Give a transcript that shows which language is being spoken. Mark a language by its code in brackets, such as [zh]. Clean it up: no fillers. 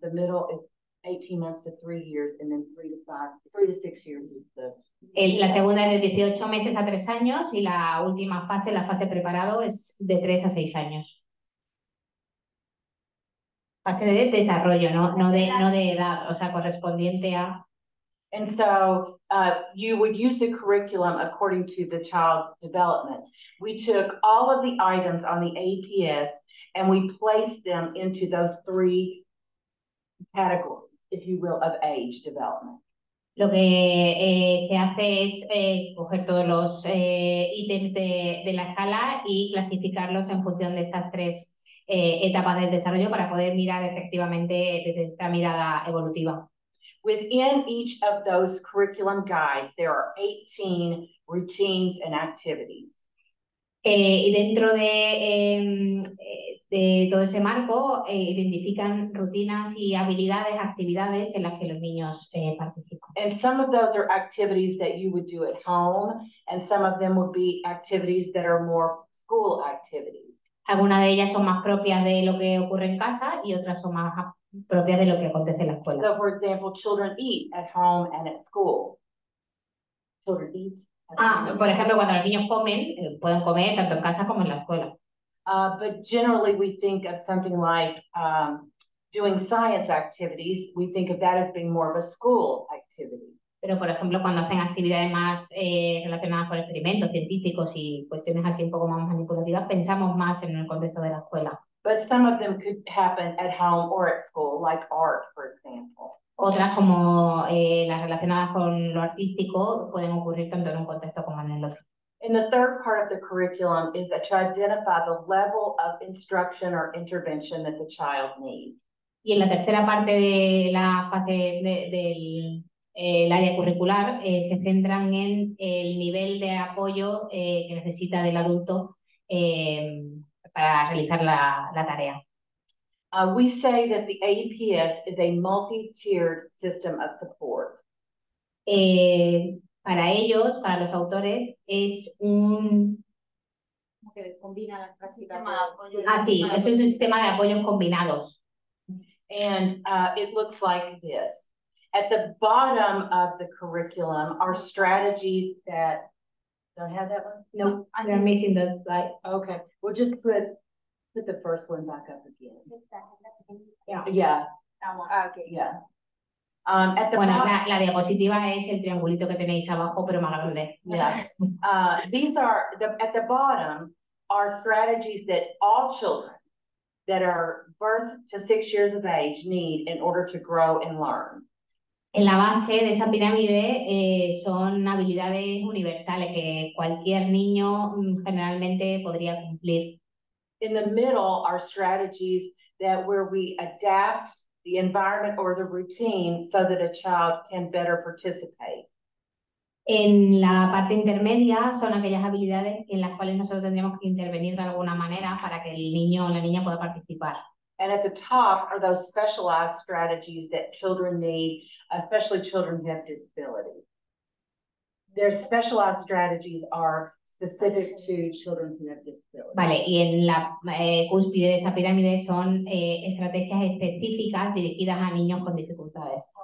[en] The middle is 18 months to 3 years, and then 3 to 6 years is the. [es] La segunda es de 18 meses a 3 años, y la última fase, la fase preparado, es de 3 a 6 años. Fase de desarrollo, no de edad, o sea, correspondiente a. [en] And so you would use the curriculum according to the child's development. We took all of the items on the APS and we placed them into those three categories, if you will, of age development. [es] Lo que se hace es coger todos los ítems de la escala y clasificarlos en función de estas tres etapas del desarrollo para poder mirar efectivamente desde esta mirada evolutiva. [en] Within each of those curriculum guides, there are 18 routines and activities. [es] Y dentro de todo ese marco, identifican rutinas y habilidades, actividades en las que los niños participan. [en] And some of those are activities that you would do at home, and some of them would be activities that are more school activities. [es] Algunas de ellas son más propias de lo que ocurre en casa y otras son más propias de lo que acontece en la escuela. [en] So, for example, children eat at home and at school. Children eat. [es] Por ejemplo, cuando los niños comen, pueden comer tanto en casa como en la escuela. [en] But generally we think of something like doing science activities, we think of that as being more of a school activity. [es] Pero, por ejemplo, cuando hacen actividades más relacionadas con experimentos científicos y cuestiones así un poco más manipulativas, pensamos más en el contexto de la escuela. [en] But some of them could happen at home or at school, like art, for example. [es] Otras, como las relacionadas con lo artístico, pueden ocurrir tanto en un contexto como en el otro. [en] And the third part of the curriculum is that you identify the level of instruction or intervention that the child needs. [es] Y en la tercera parte de la fase del área curricular, se centran en el nivel de apoyo que necesita del adulto para realizar la tarea. [en] We say that the AEPS is a multi-tiered system of support. [es] Para ellos, para los autores, es un que combina las prácticas. Ah, sí, es un sistema de apoyos combinados. [en] And it looks like this. At the bottom of the curriculum are strategies that don't have that one. No, nope. I'm missing that slide. Okay, we'll just put the first one back up again. [es] La diapositiva es el triangulito que tenéis abajo, pero más grande. [en] These are, at the bottom, are strategies that all children that are birth to 6 years of age need in order to grow and learn. [es] En la base de esa pirámide son habilidades universales que cualquier niño generalmente podría cumplir. [en] In the middle are strategies that where we adapt the environment or the routine so that a child can better participate. [es] En la parte intermedia son aquellas habilidades en las cuales nosotros tendríamos que intervenir de alguna manera para que el niño o la niña pueda participar. [en] And at the top are those specialized strategies that children need, especially children who have disabilities. Their specialized strategies are specific to children who have disabilities. [es] Vale, y en la cúspide de esa pirámide son estrategias específicas dirigidas a niños con dificultades.